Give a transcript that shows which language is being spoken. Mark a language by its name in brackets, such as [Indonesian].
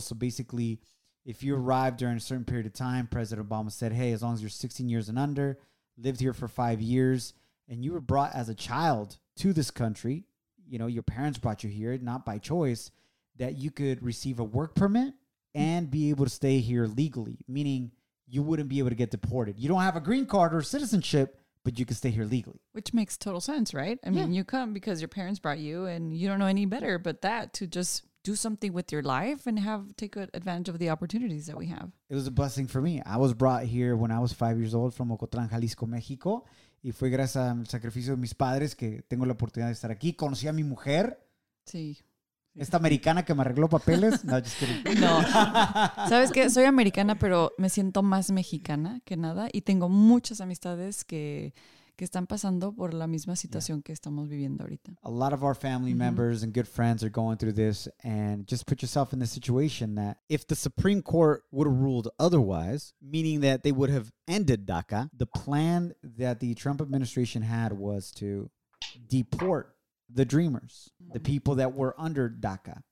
[English] So basically, if you arrive during a certain period of time, President Obama said, hey, as long as you're 16 years and under, lived here for 5 years, and you were brought as a child to this country, you know, your parents brought you here, not by choice, that you could receive a work permit and be able to stay here legally, meaning you wouldn't be able to get deported. You don't have a green card or citizenship, but you can stay here legally. Which makes total sense, right? I mean, you come because your parents brought you and you don't know any better but that to just do something with your life and take advantage of the opportunities that we have. It was a blessing for me. I was brought here when I was 5 years old from Ocotlán, Jalisco, Mexico. [Spanish] Y fue gracias al sacrificio de mis padres que tengo la oportunidad de estar aquí. Conocí a mi mujer. Sí. Esta americana que me arregló papeles. [English] No, just kidding. [Spanish] No. ¿Sabes qué? Soy americana, pero me siento más mexicana que nada. Y tengo muchas amistades que están pasando por la misma situación que estamos viviendo ahorita. [English] A lot of our family members and good friends are going through this. And just put yourself in the situation that if the Supreme Court would have ruled otherwise, meaning that they would have ended DACA, the plan that the Trump administration had was to deport the Dreamers, the people that were under DACA.